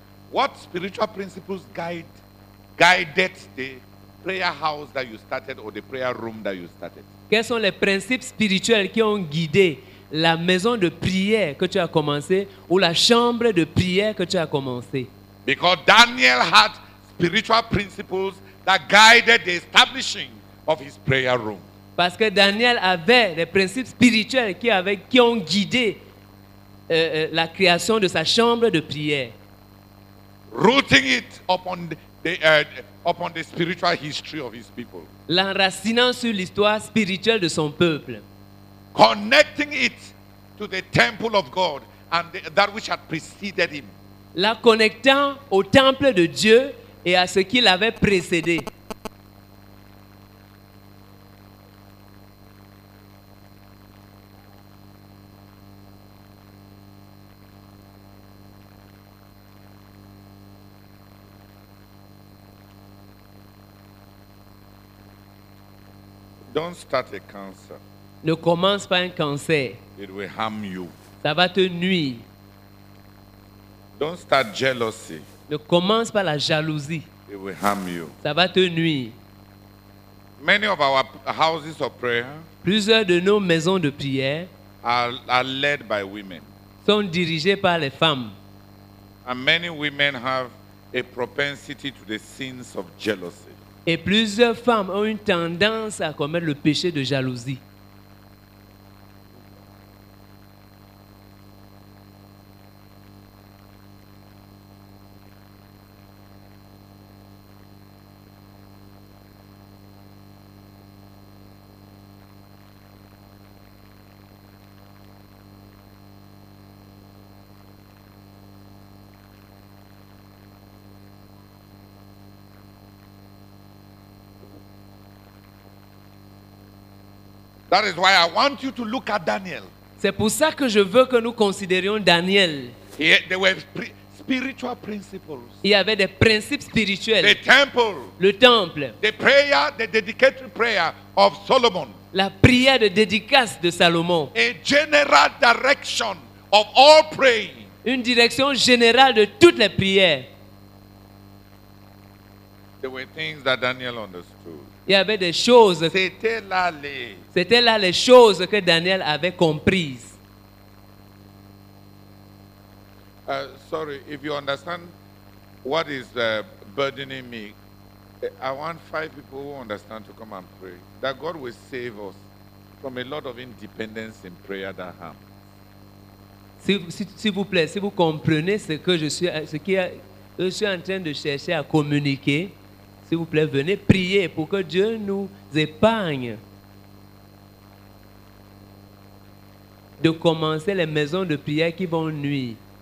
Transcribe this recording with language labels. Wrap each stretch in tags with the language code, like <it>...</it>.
<en>What spiritual principles guided the prayer house that you started or the prayer room that you started?</en> <fr>Quels sont les principes spirituels qui ont guidé la maison de prière que tu as commencé ou la chambre de prière que tu as commencé?</fr> <en>Because Daniel had spiritual principles that guided the establishing of his prayer room.</en> <fr>Parce que Daniel avait des principes spirituels qui ont guidé la création de sa chambre de prière.</fr> <en>Rooting it upon the spiritual history of his people.</en> <fr>L'enracinant sur l'histoire spirituelle de son peuple.</fr> <en>Connecting it to the temple of God and that which had preceded him.</en> <fr>La connectant au temple de Dieu et à ce qui l'avait précédé.</fr> <en>Don't start a cancer.</en> <fr>Ne commence pas un cancer.</fr> <en>It will harm you.</en> <fr>Ça va te nuire.</fr> <en>Don't start jealousy.</en> <fr>Ne commence pas la jalousie.</fr> <en>It will harm you.</en> <fr>Ça va te nuire.</fr> <en>Many of our houses of prayer,</en> <fr>plusieurs de nos maisons de prière,</fr> <en>are led by women.</en> <fr>Sont dirigées par les femmes.</fr> <en>And many women have a propensity to the sins of jealousy.</en> <fr>Et plusieurs femmes ont une tendance à commettre le péché de jalousie.</fr> <en>That is why I want you to look at Daniel.</en> <fr>C'est pour ça que je veux que nous considérions Daniel.</fr> <en>There were spiritual principles.</en> <fr>Il y avait des principes spirituels.</fr> <en>The temple.</en> <fr>Le temple.</fr> <en>The prayer, the dedicatory prayer of Solomon.</en> <fr>La prière de dédicace de Salomon.</fr> <en>A general direction of all praying.</en> <fr>Une direction générale de toutes les prières.</fr> <en>There were things that Daniel understood.</en> <fr>Il y avait des choses. C'était là les choses que Daniel avait comprises.</fr> <en>Sorry, if you understand what is burdening me, I want 5 people who understand to come and pray that God will save us from a lot of independence in prayer that happens.</en> <fr>S'il vous plaît, si vous comprenez ce que je suis en train de chercher à communiquer. S'il vous plaît, venez prier pour que Dieu nous épargne de commencer les maisons de prière qui vont nuire.</fr>